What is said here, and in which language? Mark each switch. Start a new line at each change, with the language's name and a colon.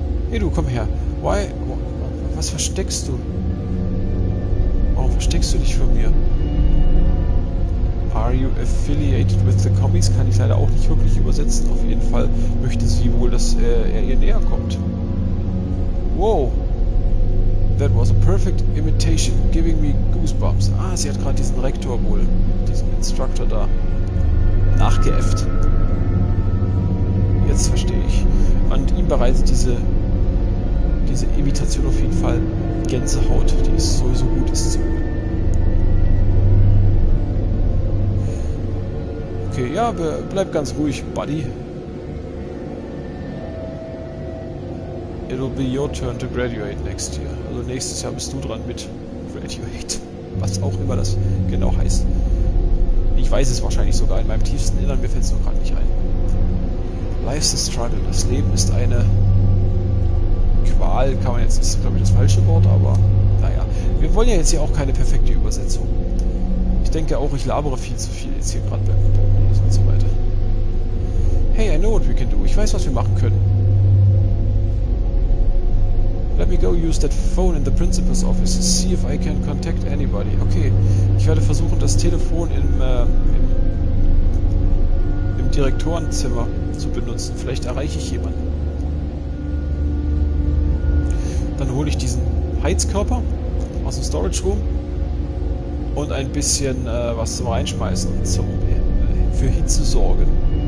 German: Hey du, komm her. Why? Was versteckst du? Warum versteckst du dich von mir?
English: Are you affiliated with the commies?
German: Kann ich leider auch nicht wirklich übersetzen. Auf jeden Fall möchte sie wohl, dass er ihr näher kommt. Wow.
English: That was a perfect imitation, giving me goosebumps.
German: Ah, sie hat gerade diesen Rektor wohl, diesen Instructor da, nachgeäfft. Jetzt verstehe ich. Und ihm bereitet diese Imitation auf jeden Fall Gänsehaut, die ist sowieso gut, ist zu. Okay, ja, bleib ganz ruhig, Buddy.
English: It'll be your turn to graduate next year.
German: Also nächstes Jahr bist du dran mit graduate. Was auch immer das genau heißt. Ich weiß es wahrscheinlich sogar in meinem tiefsten Innern, mir fällt es noch gerade nicht ein.
English: Life's a struggle.
German: Das Leben ist eine Qual, kann man jetzt, ist glaube ich das falsche Wort, aber naja. Wir wollen ja jetzt hier auch keine perfekte Übersetzung. Ich denke auch, ich labere viel zu viel jetzt hier gerade beim Bogenlesen und so weiter.
English: Hey, I know what we can do.
German: Ich weiß, was wir machen können.
English: Let me go use that phone in the principal's office. See if I can contact anybody.
German: Okay, ich werde versuchen, das Telefon im Direktorenzimmer zu benutzen. Vielleicht erreiche ich jemanden. Dann hole ich diesen Heizkörper aus dem Storage Room und ein bisschen was zum Reinschmeißen, für Hitze sorgen.